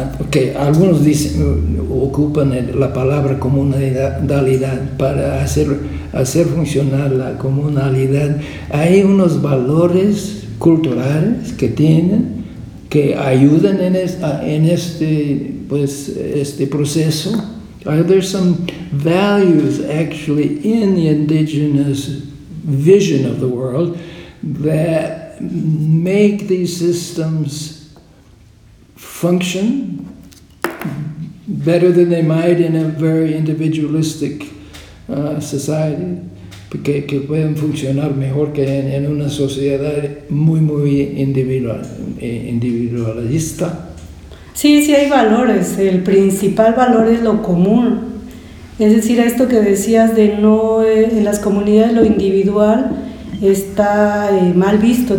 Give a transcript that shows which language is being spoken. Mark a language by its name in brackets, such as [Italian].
[Spanish] que algunos dicen ocupan la palabra comunalidad para hacer funcionar la comunalidad? ¿Hay unos valores culturales que tienen que ayudan en este proceso? [English] Are there some values actually in the indigenous vision of the world that make these systems function better than they might in a very individualistic society? [Spanish] Que pueden funcionar mejor que en una sociedad muy, muy individualista. Sí, sí hay valores. El principal valor es lo común. Es decir, esto que decías de no en las comunidades lo individual está mal visto.